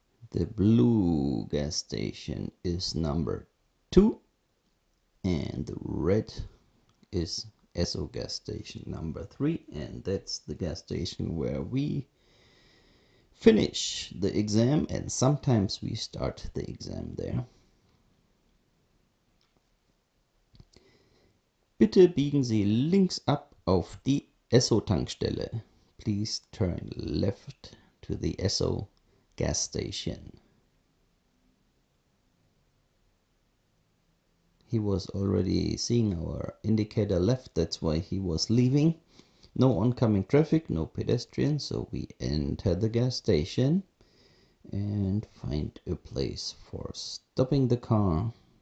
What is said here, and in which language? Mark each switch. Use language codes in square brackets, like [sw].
[en] The blue gas station is number two, and the red is Esso gas station number three, and that's the gas station where we finish the exam, and sometimes we start the exam there. [de] Bitte biegen Sie links ab auf die Esso Tankstelle. [en] Please turn left to the Esso gas station. He was already seeing our indicator left, that's why he was leaving. No oncoming traffic, no pedestrians, so we enter the gas station and find a place for stopping the car.